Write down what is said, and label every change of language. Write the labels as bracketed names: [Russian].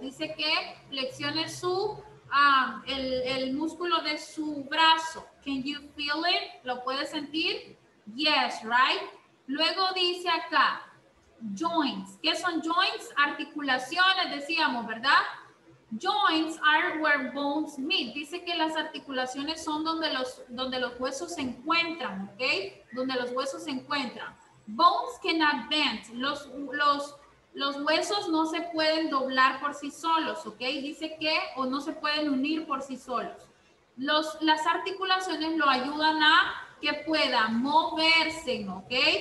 [Spanish] Dice que flexione su, el músculo de su brazo. [English] Can you feel it? [Spanish] ¿Lo puedes sentir? [English] Yes, right? [Spanish] Luego dice acá, joints. ¿Qué son joints? Articulaciones, decíamos, ¿verdad? [English] Joints are where bones meet. [Spanish] Dice que las articulaciones son donde los huesos se encuentran, ¿ok? Donde los huesos se encuentran. [English] Bones cannot bend. [Spanish] Los huesos no se pueden doblar por sí solos, ¿ok? Dice que, o no se pueden unir por sí solos. Las articulaciones lo ayudan a que pueda moverse, ¿ok?